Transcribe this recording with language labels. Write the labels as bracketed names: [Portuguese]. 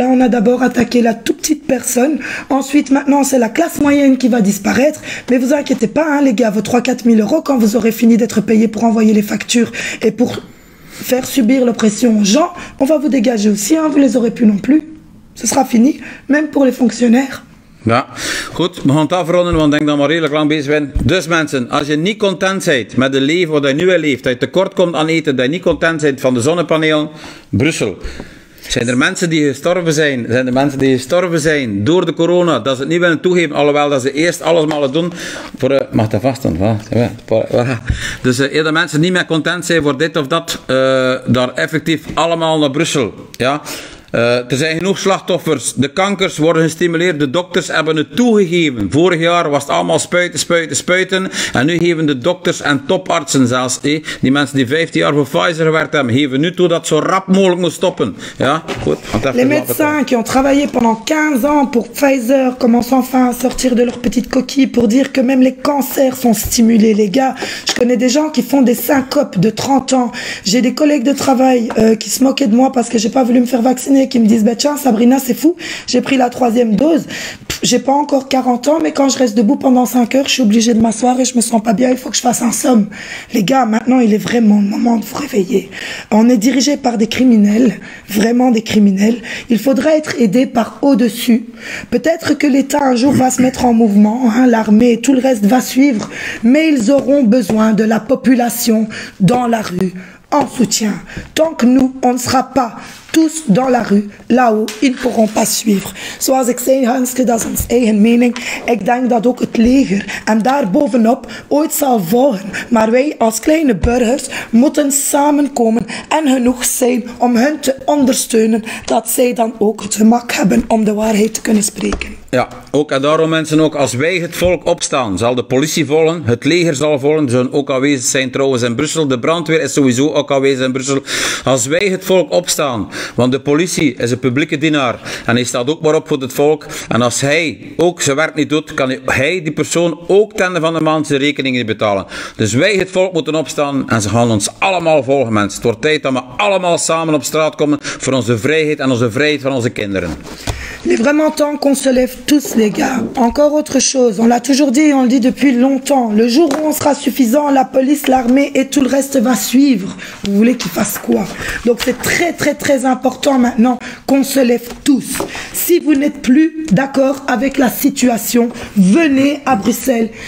[French] Hein. On a d'abord attaqué la toute petite personne. Ensuite, maintenant, c'est la classe moyenne qui va disparaître. Mais vous inquiétez pas, hein, les gars, vos 3-4 000 euros, quand vous aurez fini d'être payés pour envoyer les factures et pour faire subir l'oppression aux gens, on va vous dégager aussi, hein, vous les aurez plus non plus. Ce sera fini, même pour les fonctionnaires. [Dutch] Ja, goed. We gaan het afronden, want ik denk dat we redelijk lang bezig zijn. Dus mensen, als je niet content bent met het leven wat je nu al leeft, dat je tekort komt aan eten, dat je niet content bent van de zonnepanelen, Brussel. Zijn er mensen die gestorven zijn? Zijn er mensen die gestorven zijn door de corona? Dat ze het niet willen toegeven, alhoewel dat ze eerst alles mogen doen. Voor, mag dat vast dan? Dus eerder mensen niet meer content zijn voor dit of dat, daar effectief allemaal naar Brussel. Ja? Er zijn genoeg slachtoffers. De kankers worden gestimuleerd. De dokters hebben het toegegeven. Vorig jaar was het allemaal spuiten, spuiten, spuiten. En nu geven de dokters en topartsen zelfs, die mensen die 15 jaar voor Pfizer gewerkt hebben, geven nu toe dat zo rap mogelijk moet stoppen. Ja, goed. [French] Les médecins qui ont travaillé pendant 15 ans pour Pfizer commencent enfin à sortir de leur petite coquille pour dire que même les cancers sont stimulés, les gars. Je connais des gens qui font des syncopes de 30 ans. J'ai des collègues de travail qui se moquaient de moi parce que j'ai pas voulu me faire vacciner. Qui me disent, bah tiens, Sabrina, c'est fou, j'ai pris la troisième dose, j'ai pas encore 40 ans, mais quand je reste debout pendant 5 heures, je suis obligée de m'asseoir et je me sens pas bien, il faut que je fasse un somme. Les gars, maintenant, il est vraiment le moment de vous réveiller. On est dirigé par des criminels, vraiment des criminels. Il faudra être aidé par au-dessus. Peut-être que l'État, un jour, va se mettre en mouvement, hein, l'armée et tout le reste va suivre, mais ils auront besoin de la population dans la rue. En soutien. Tant que nous, on ne sera pas tous dans la rue, là-haut, ils ne pourront pas suivre. [Dutch] Zoals ik zei, Hanske, dat is een eigen mening. Ik denk dat ook het leger en daarbovenop ooit zal volgen. Maar wij als kleine burgers moeten samenkomen en genoeg zijn om hen te ondersteunen, dat zij dan ook het gemak hebben om de waarheid te kunnen spreken. Ja, ook en daarom mensen ook, als wij het volk opstaan, zal de politie volgen, het leger zal volgen, ze zullen ook aanwezig zijn trouwens in Brussel, de brandweer is sowieso ook aanwezig in Brussel. Als wij het volk opstaan, want de politie is een publieke dienaar en hij staat ook maar op voor het volk, en als hij ook zijn werk niet doet, kan hij die persoon ook ten van de maand zijn rekeningen niet betalen. Dus wij het volk moeten opstaan en ze gaan ons allemaal volgen mensen. Het wordt tijd dat we allemaal samen op straat komen voor onze vrijheid en onze vrijheid van onze kinderen. [French] Il est vraiment temps qu'on se lève tous, les gars. Encore autre chose, on l'a toujours dit et on le dit depuis longtemps. Le jour où on sera suffisant, la police, l'armée et tout le reste va suivre. Vous voulez qu'ils fassent quoi? Donc c'est très très très important maintenant qu'on se lève tous. Si vous n'êtes plus d'accord avec la situation, venez à Bruxelles.